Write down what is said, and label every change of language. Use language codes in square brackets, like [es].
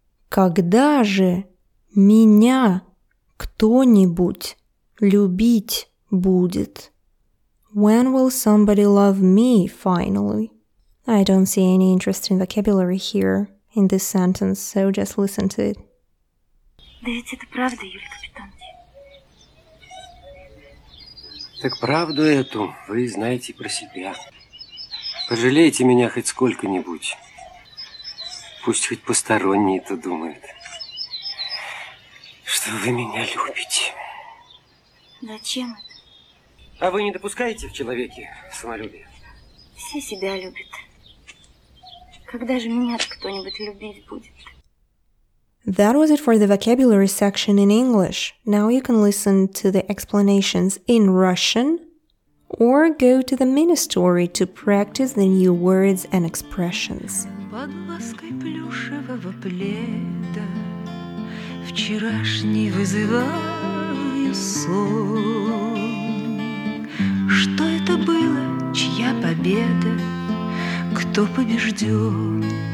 [ru] Когда же меня кто-нибудь любить будет? [en] When will somebody love me finally? I don't see any interesting vocabulary here in this sentence, so just listen to it. [ru] Да ведь это правда, Юлий Капитонович. Так правду эту вы знаете про себя. Пожалейте меня хоть сколько-нибудь. Пусть хоть посторонние-то думают, что вы меня любите. Зачем это? А вы не допускаете в человеке самолюбие? Все себя любят. Когда же меня-то кто-нибудь любить будет? [en] That was it for the vocabulary section in English. Now you can listen to the explanations in Russian. Or go to the mini-story to practice the new words and expressions. [ru] Под лаской плюшевого пледа вчерашний вызываю сон. Что это было, чья победа? Кто побежден?